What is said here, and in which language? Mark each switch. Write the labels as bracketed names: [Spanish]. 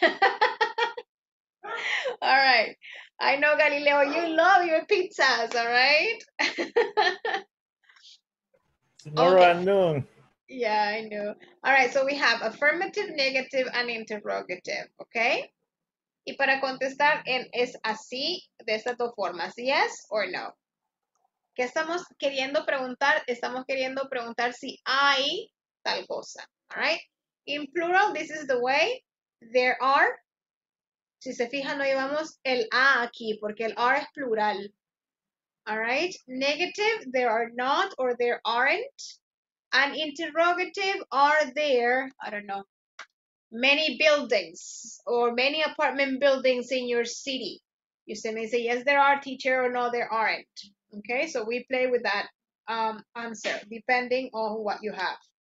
[English] All right, I know, Galileo, you love your pizzas, all right? Tomorrow okay. Noon. Yeah, I know. All right, so we have affirmative, negative, and interrogative, okay? [Spanish] Y para contestar, es así, de estas dos formas, [English] yes or no. [Spanish] ¿Qué estamos queriendo preguntar? Estamos queriendo preguntar si hay tal cosa, all right? [English] In plural, this is the way, there are. [Spanish] Si se fijan, no llevamos el a aquí, porque el are es plural. [English] All right, negative, there are not, or there aren't. An interrogative, are there, I don't know, many buildings or many apartment buildings in your city? You say, may say, yes, there are, teacher, or no, there aren't. Okay, so we play with that answer, depending on what you have.